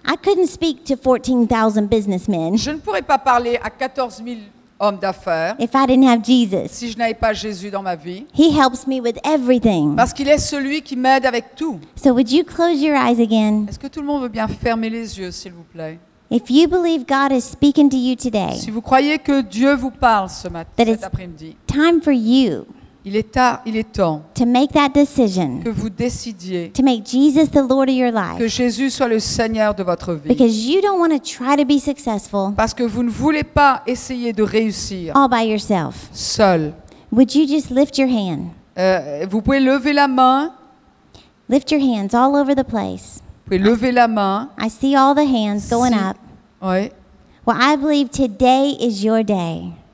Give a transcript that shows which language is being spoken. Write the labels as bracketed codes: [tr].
[en] I couldn't speak to 14,000 businessmen. [fr] Je ne pourrais pas parler à 14,000 hommes d'affaires. [en] If I didn't have Jesus. [fr] Si je n'avais pas Jésus dans ma vie. [en] He helps me with everything. [fr] Parce qu'il est celui qui m'aide avec tout. [en] So would you close your eyes again? [fr] Est-ce que tout le monde veut bien fermer les yeux, s'il vous plaît? [en] If you believe God is speaking to you today, [fr] si vous croyez que Dieu vous parle ce matin, cet après-midi, [en] time for you, [fr] il est temps [en] to make that decision, [fr] que vous décidiez, [en] to make Jesus the Lord of your life, [fr] que Jésus soit le Seigneur de votre vie, [en] because you don't want to try to be successful, [fr] parce que vous ne voulez pas essayer de réussir, [en] all by yourself, [fr] seul. [en] Would you just lift your hand? [fr] Vous pouvez lever la main. [en] Lift your hands all over the place. [fr] Vous pouvez lever la main. [en] I see all the hands going up. [fr] Oui. [en] Well, I believe today is your day.